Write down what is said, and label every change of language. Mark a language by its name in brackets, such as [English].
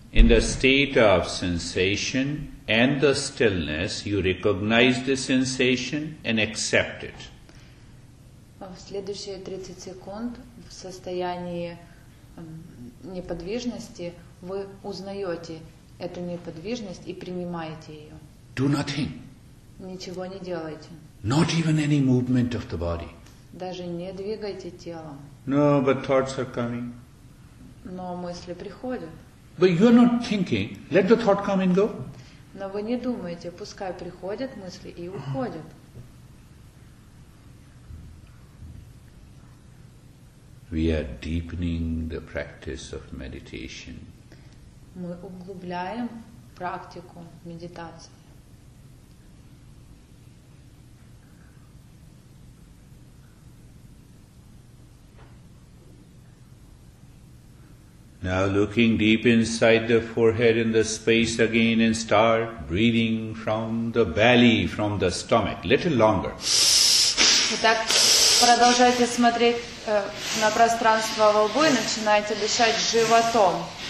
[English] In the state of sensation and the stillness, you recognize the sensation and accept it. [Russian] В следующие 30 секунд в состоянии неподвижности вы узнаете эту неподвижность и принимаете ее. [English] Do nothing. [Russian] Ничего не делайте. [English] Not even any movement of the body. [Russian] Даже не двигайте телом. [English] No, but thoughts are coming. [Russian] Но мысли приходят. [English] But you're not thinking. Let the thought come and go. [Russian] Но вы не думаете, пускай приходят мысли и уходят. [English] We are deepening the practice of meditation. [Russian] Мы углубляем практику медитации. [English] Now looking deep inside the forehead in the space again and start breathing from the belly, from the stomach, little longer. [Russian] Итак, продолжайте смотреть на пространство во лбу и начинайте дышать животом.